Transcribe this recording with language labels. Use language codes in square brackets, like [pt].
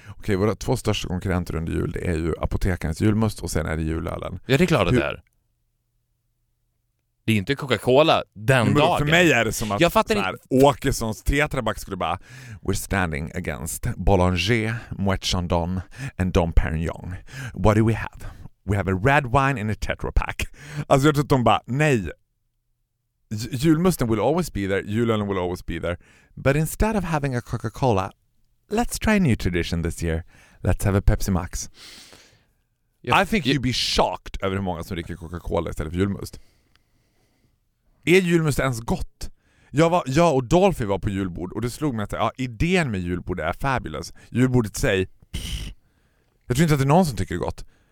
[sv] Okej, våra två största konkurrenter under jul, det är ju apotekarnas julmust och sen är det julölen. Ja, det är klart det är. Det är inte Coca-Cola den men dagen. För mig är det som att jag fattar så här, Åkessons tetraback skulle bara [en] we're standing against Bollinger, Moët Chandon and Dom Pérignon. What do we have? We have a red wine in a tetrapack. [sv] Alltså jag tror att de bara, nej. [en] Julmusten will always be there. Julen will always be there. But instead of having a Coca-Cola, let's try a new tradition this year. Let's have a Pepsi Max. I think you'd be shocked [sv] över hur många som dricker Coca-Cola istället för julmust. Är julmust ens gott? Jag och Dolphy var på julbord och det slog mig att ja, idén med julbordet är fabulous. Julbordet säger jag tror inte att det är någon som tycker det gott.